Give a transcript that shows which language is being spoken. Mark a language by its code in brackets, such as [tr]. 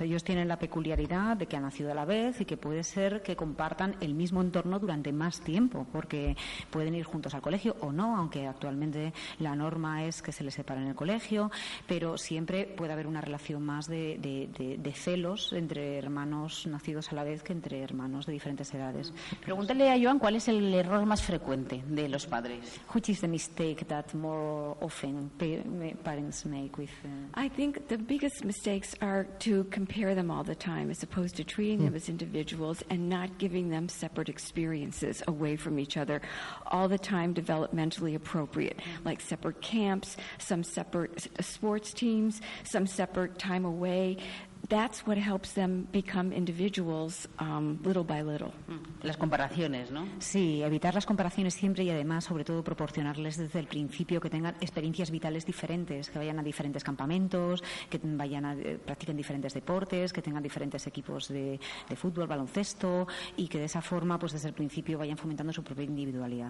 [es] Ellos tienen la peculiaridad de que han nacido a la vez y que puede ser que compartan el mismo entorno durante más tiempo, porque pueden ir juntos al colegio o no, aunque actualmente la norma es que se les separa en el colegio, pero siempre puede haber una relación más de celos entre hermanos nacidos a la vez que entre hermanos de diferentes edades. Pregúntale a Joan cuál es el error más frecuente de los padres. [en] Which is the mistake that more often parents make with I think the biggest mistakes are to compare them all the time as opposed to treating them as individuals and not giving them separate experiences away from each other, all the time developmentally appropriate, like separate camps, some separate sports teams, some separate time away. That's what helps them become individuals little by little. [es] Las comparaciones, ¿no? Sí, evitar las comparaciones siempre y además, sobre todo, proporcionarles desde el principio que tengan experiencias vitales diferentes, que vayan a diferentes campamentos, que vayan a practiquen diferentes deportes, que tengan diferentes equipos de fútbol, baloncesto, y que de esa forma, pues desde el principio vayan fomentando su propia individualidad.